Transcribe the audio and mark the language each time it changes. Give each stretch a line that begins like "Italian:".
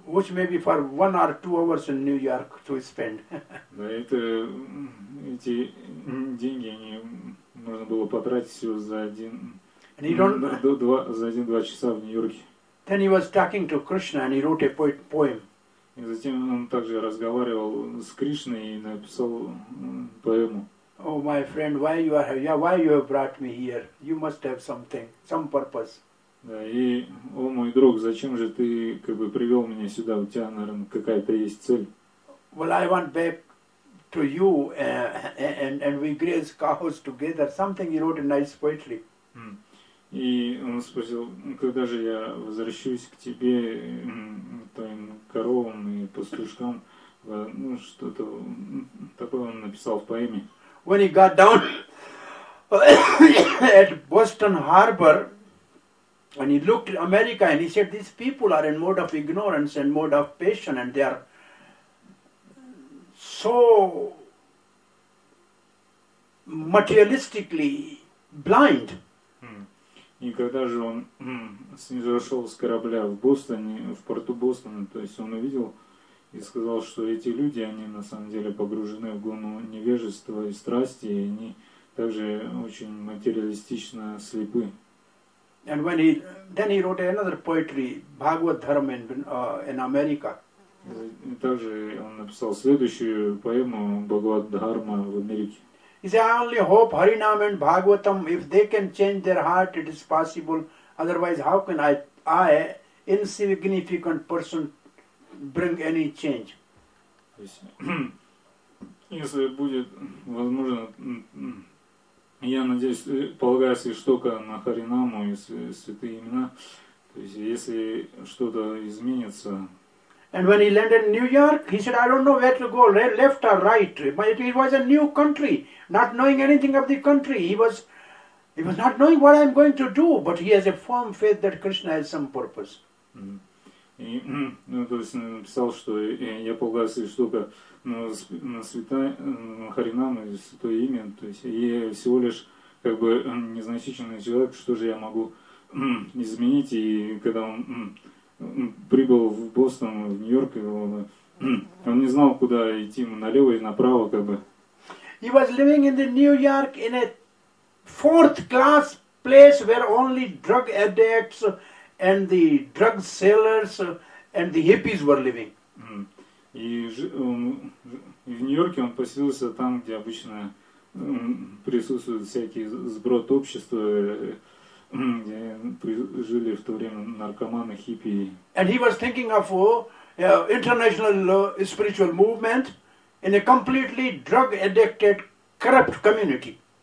English: Which maybe for 1 or 2 hours in New York to spend.
Russian: Да, это эти деньги они можно было потратить всего за один-два часа в Нью-Йорке.
English: Then he was talking to Krishna and he wrote a poem.
Russian: И затем он также разговаривал с Кришной и написал поэму.
English: Oh my friend, why you have brought me here? You must have something, some purpose.
Russian: Да, и о мой друг, зачем же ты как бы привел меня сюда? У тебя, наверное, какая-то есть цель.
English: Well, I went back to you and we graze cows together. Something he wrote in nice poetry.
Russian: И он спросил, когда же я возвращусь к тебе, твоим коровам и пастушкам, ну что-то такое он написал в поэме.
English: When he got down at Boston Harbor and he looked at America and he said, these people are in mode of ignorance and mode of passion and they are so materialistically blind.
Russian: И когда же он снизошел с корабля в Бостоне, в порту Бостона, то есть он увидел и сказал, что эти люди, они на самом деле погружены в гону невежества и страсти, и они также очень материалистично слепы.
English: And when then he wrote another poetry, Bhagavad Dharma in America.
Russian: И также он написал следующую поэму Бхагавад Дхарма в Америке.
English: He said, I only hope Harinam and Bhagavatam, if they can change their heart, it is possible. Otherwise, how can I, insignificant person, bring any change?
Russian: Если будет возможно, я надеюсь, полагаюсь лишь только на Харинаму и святые имена, то есть если что-то изменится.
English: And when he landed in New York, he said, I don't know where to go, left or right. But it was a new country, not knowing anything of the country. He was not knowing what I'm going to do, but he has a firm faith that Krishna has some purpose.
Russian: То есть он написал, что я полагаюсь лишь только на святая Харинама, святое имя. То есть я всего лишь как бы незначительный человек, что же я могу изменить, и когда он прибыл в Бостон, в Нью-Йорк, и он не знал, куда идти, налево и направо, как бы.
English: He was living in the New York in a fourth-class place where only drug addicts and the drug sellers and the hippies were living.
Russian: И в Нью-Йорке он поселился там, где обычно присутствуют всякие сброд общества, где жили в то время наркоманы, хиппи.
English: And he was thinking of international spiritual movement in a completely drug-addicted, corrupt community.